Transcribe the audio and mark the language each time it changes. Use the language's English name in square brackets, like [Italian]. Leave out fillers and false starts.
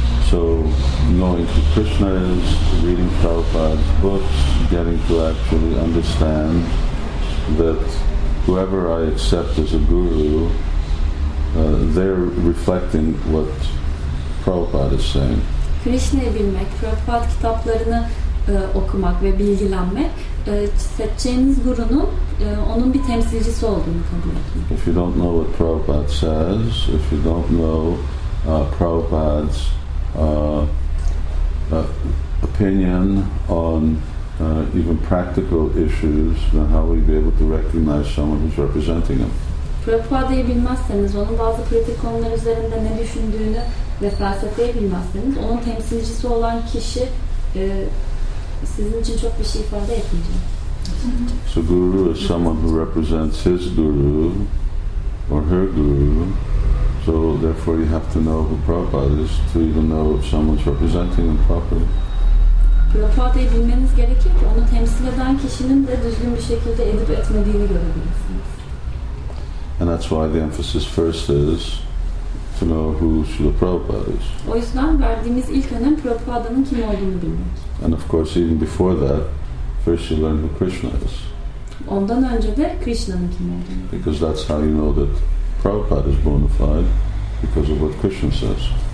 [English] So, knowing who Krishna is, reading Prabhupada's books, getting to actually understand that whoever I accept as a guru, they're reflecting what Prabhupada is saying. [Turkish] Krishna'yı bilmek, Prabhupada kitaplarını okumak ve bilgilenmek, seçeceğiniz gurunun onun bir temsilcisi olduğunu kabul etmek. [English] If you don't know what Prabhupada says, if you don't know Prabhupada's opinion on even practical issues, then how will you be able to recognize someone who's representing him? [Turkish] Prabhupada'yı bilmezseniz, onun bazı pratik konular üzerinde ne düşündüğünü ve felsefeyi bilmezseniz, onun temsilcisi olan kişi sizin için çok bir şey ifade etmeyecek. [English] So guru is someone who represents his guru or her guru. So therefore you have to know who Prabhupada is to even know if someone's representing him properly. [Turkish] Prabhupada'yı bilmeniz gerekir ki onu temsil eden kişinin de düzgün bir şekilde edip etmediğini görebilirsiniz. [English] And that's why the emphasis first is to know who Srila Prabhupada is. [Turkish] O yüzden verdiğimiz ilk önem Prabhupada'nın kim olduğunu bilmek. [English] And of course even before that, first you learn who Krishna is. [Turkish] Ondan önce de Krishna'nın kim olduğunu. [English] Because that's how you know that Prabhupada is bona fide because of what Krishna says.